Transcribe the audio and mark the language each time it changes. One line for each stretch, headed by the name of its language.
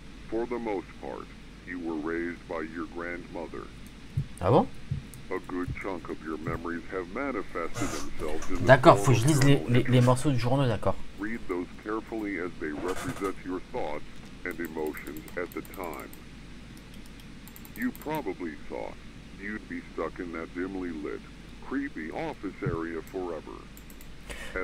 English: For the most part, you were raised by your grandmother.
French: Ah bon?
English: A good chunk of your memories have manifested themselves in the
French: D'accord, faut que je lise les morceaux du journal, d'accord.
English: Read those carefully as they represent your thoughts and emotions at the time. You probably thought you'd be stuck in that dimly lit, creepy office area forever.